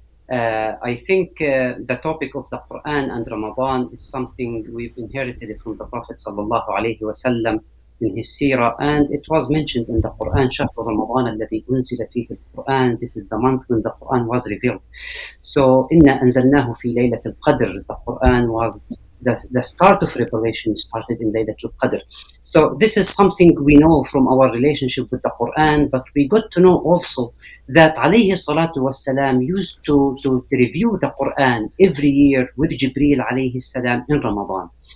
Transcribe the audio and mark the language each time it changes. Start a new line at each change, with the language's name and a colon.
English: I think the topic of the Quran and Ramadan is something we've inherited from the Prophet sallallahu alaihi wasallam in his seerah, and it was mentioned in the Quran,
Arabic: شهر رمضان الذي أنزل فيه القرآن.
English: This is the month when the Quran was revealed.
Arabic: So إنا أنزلناه في ليلة القدر.
English: The Quran was the start of revelation, started in ليلة القدر. So this is something we know from our relationship with the Quran, but we got to know also that
Arabic: عليه الصلاة والسلام
English: used to review the Quran every year with Jibreel عليه السلام in Ramadan.